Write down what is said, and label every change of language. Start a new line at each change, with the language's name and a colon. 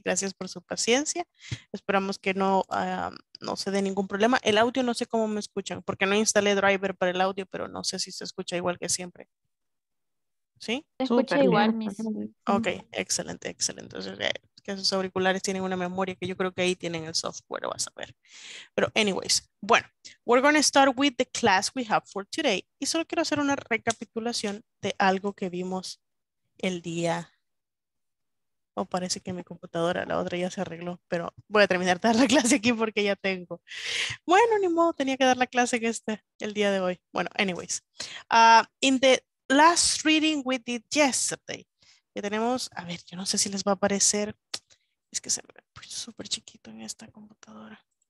Spanish: Gracias por su paciencia, esperamos que no se dé ningún problema. El audio no sé cómo me escuchan, porque no instalé driver para el audio, pero no sé si se escucha igual que siempre. ¿Sí? Se escucha igual, Miss. Ok, excelente, excelente. Entonces, que sus auriculares tienen una memoria, que yo creo que ahí tienen el software, vas a ver.
English: Pero anyways, bueno, we're going to start with the class we have for today.
Spanish: Y solo quiero hacer una recapitulación de algo que vimos el día. Oh, parece que mi computadora, la otra ya se arregló, pero voy a terminar de dar la clase aquí porque ya tengo. Bueno, ni modo, tenía que dar la clase en este, el día de hoy. Bueno, anyways.
English: In the last reading we did yesterday,
Spanish: que tenemos, a ver, yo no sé si les va a aparecer, es que se me ha puesto súper chiquito en esta computadora.